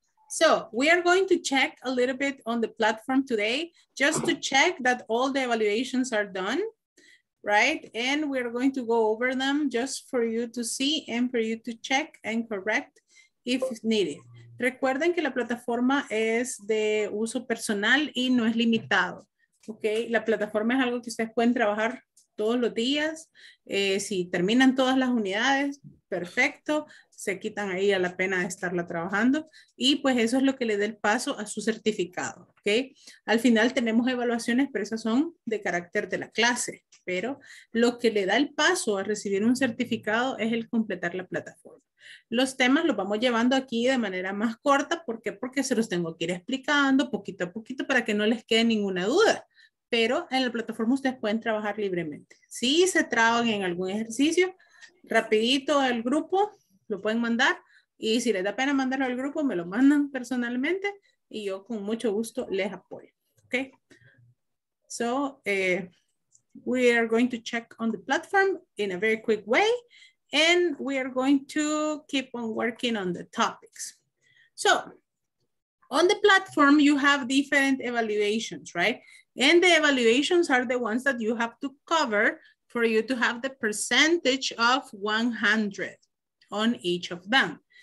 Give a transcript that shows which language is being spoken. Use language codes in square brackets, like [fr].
[en] So we are going to check a little bit on the platform today, just to check that all the evaluations are done, right? And we're going to go over them just for you to see and for you to check and correct if needed. [es] Recuerden que la plataforma es de uso personal y no es limitado, okay? La plataforma es algo que ustedes pueden trabajar todos los días. Si terminan todas las unidades, perfecto. Se quitan ahí a la pena de estarla trabajando y pues eso es lo que le da el paso a su certificado, ¿ok? Al final tenemos evaluaciones, pero esas son de carácter de la clase, pero lo que le da el paso a recibir un certificado es el completar la plataforma. Los temas los vamos llevando aquí de manera más corta, ¿por qué? Porque se los tengo que ir explicando poquito a poquito para que no les quede ninguna duda. Pero en la plataforma ustedes pueden trabajar libremente. Si se traban en algún ejercicio, rapidito al grupo, lo pueden mandar y si les da pena mandarlo al grupo, me lo mandan personalmente y yo con mucho gusto les apoyo. ¿Okay? [en] So we are going to check on the platform in a very quick way, and we are going to keep on working on the topics. So on the platform, you have different evaluations, right? And the evaluations are the ones that you have to cover for you to have the percentage of 100 on each of them.